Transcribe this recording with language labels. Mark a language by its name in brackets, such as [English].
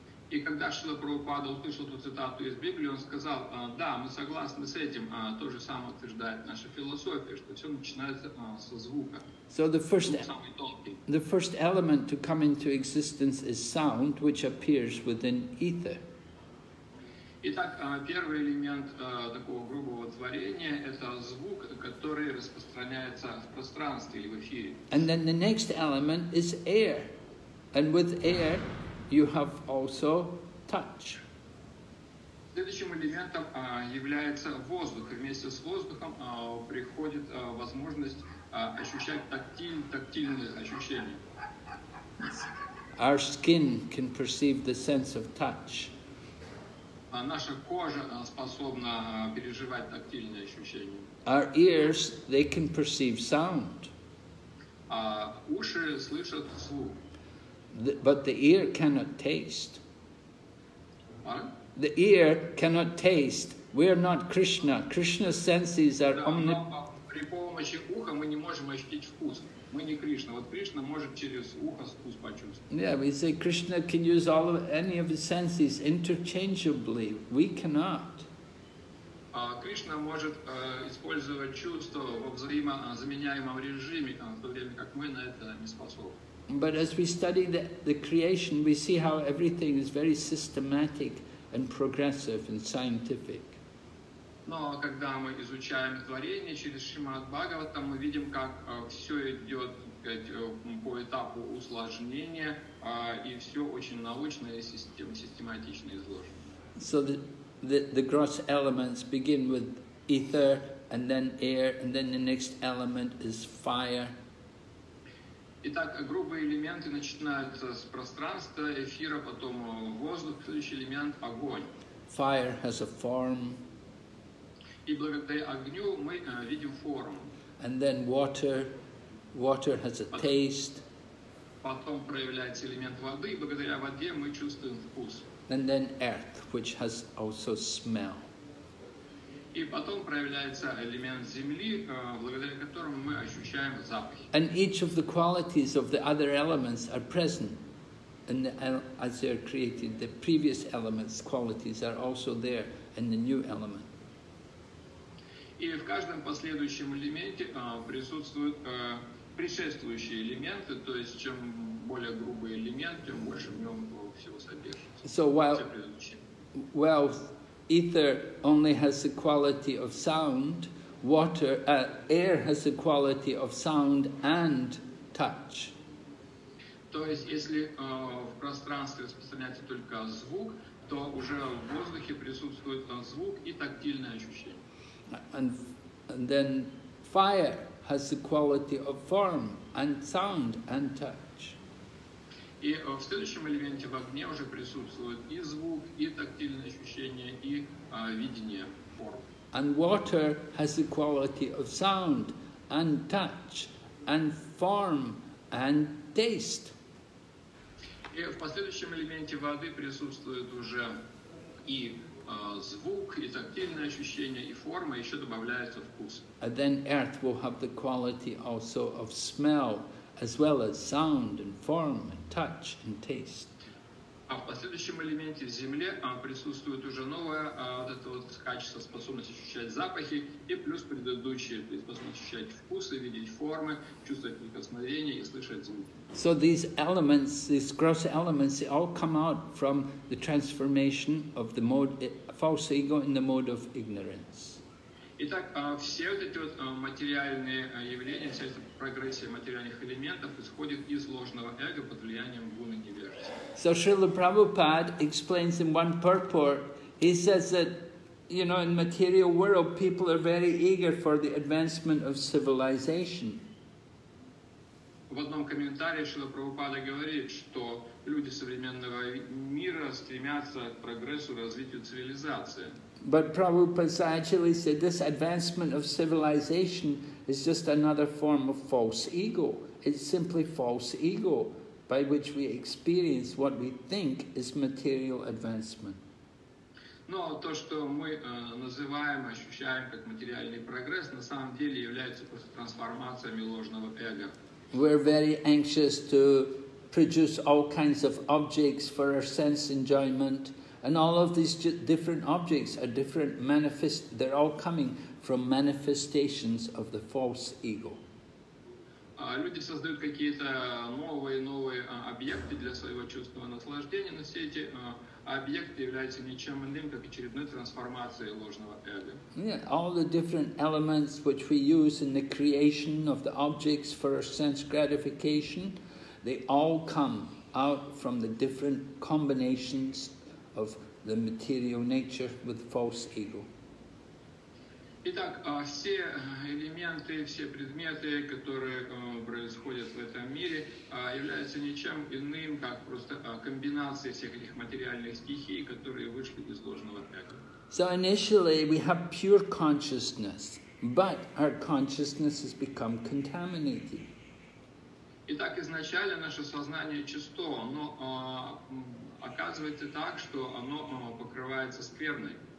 [Russian] И когда Шрила Прабхупада услышал эту цитату из Библии, он сказал, да, мы согласны с этим, то же самое утверждает наша философия, что все начинается со звука. [English] So the first element to come into existence is sound, which appears within ether. [Russian] Итак, первый элемент такого грубого творения – это звук, который распространяется в пространстве или в эфире. [English] And then the next element is air. And with air, you have also touch. [Russian] Следующим элементом является воздух. Вместе с воздухом приходит возможность ощущать тактильные ощущения. [English] Our skin can perceive the sense of touch. [Russian] Наша кожа способна переживать тактильные ощущения. [English] Our ears, they can perceive sound. [Russian] Уши слышат звук. [English] But the ear cannot taste. Pardon? The ear cannot taste We are not Krishna. Krishna's senses are [Russian] при помощи уха мы не можем ощутить вкус. Мы не Кришна. Вот Кришна может через ухо вкус почувствовать. [English] Yeah, we say Krishna can use all of any of his senses interchangeably. We cannot. [Russian] Кришна может использовать чувства во взаимозаменяемом режиме, в то время как мы на это не способны. [English] But as we study the creation, we see how everything is very systematic and progressive and scientific. [Russian] Но когда мы изучаем творение через Шримад Бхагаватам, мы видим, как все идет по этапу усложнения, и все очень научно и систематично изложено. [English] So the gross elements begin with ether, and then air, and then the next element is fire. [Russian] Итак, грубые элементы начинаются с пространства, эфира, потом воздух, следующий элемент – огонь. [English] Fire has a form. [Russian] И благодаря огню мы видим форму. [English] And then water. Water has a taste. [Russian] Потом проявляется элемент воды, и благодаря воде мы чувствуем вкус. [English] And then earth, which has also smell. [Russian] И потом проявляется элемент земли, благодаря которому мы ощущаем запахи. [English] And each of the qualities of the other elements are present, and as they are created, the previous elements' qualities are also there in the new element. [Russian] И в каждом последующем элементе присутствуют предшествующие элементы, то есть чем более грубый элемент, тем больше в нем всего содержится. [English] So ether only has the quality of sound, water, air has the quality of sound and touch. [Russian] То есть, если в пространстве распространяется только звук, то уже в воздухе присутствует звук и тактильное ощущение. [English] And then fire has the quality of form and sound and touch. [Russian] И в следующем элементе в огне уже присутствует и звук, и тактильное ощущение, и видение форм. [English] And water has the quality of sound and touch and form and taste. [Russian] И в последующем элементе воды присутствует уже и звук, и тактильное ощущение, и форма, еще добавляется вкус. [English] And then earth will have the quality also of smell, as well as sound and form and touch and taste. [Russian] А в последующем элементе земле присутствует уже новое качество, способность ощущать запахи, и плюс предыдущие, то есть способность ощущать вкусы, видеть формы, чувствовать прикосновение и слышать звуки. [English] So these elements, these gross elements, they all come out from the transformation of the mode false ego in the mode of ignorance. [Russian] Итак, все вот эти вот материальные явления, вся эта прогрессия материальных элементов исходит из ложного эго под влиянием гуны невежества. [English] So Srila Prabhupada explains in one purport, he says that, you know, in material world people are very eager for the advancement of civilization. [Russian] В одном комментарии Шрила Прабхупада говорит, что люди современного мира стремятся к прогрессу, развитию цивилизации. [English] But Prabhupada actually said this advancement of civilization is just another form of false ego. It's simply false ego by which we experience what we think is material advancement. [Russian] Но то, что мы называем, ощущаем как материальный прогресс, на самом деле является просто трансформацией ложного эго. [English] We're very anxious to produce all kinds of objects for our sense enjoyment. And all of these different objects are different manifest, they're all coming from manifestations of the false ego. [Russian] Люди создают какие-то новые объекты для своего чувства наслаждения, но все эти объекты являются ничем иным, как очередной трансформацией ложного эго. [English] Yeah, all the different elements which we use in the creation of the objects for our sense gratification, they all come out from the different combinations of the material nature with false ego. [Russian] Итак, все элементы, все предметы, которые происходят в этом мире, являются ничем иным, как просто комбинацией всех этих материальных стихий, которые вышли из ложного эго. [English] So initially we have pure consciousness, but our consciousness has become contaminated. [Russian] Итак, изначально наше сознание чисто, но оказывается так, что оно покрывается скверной.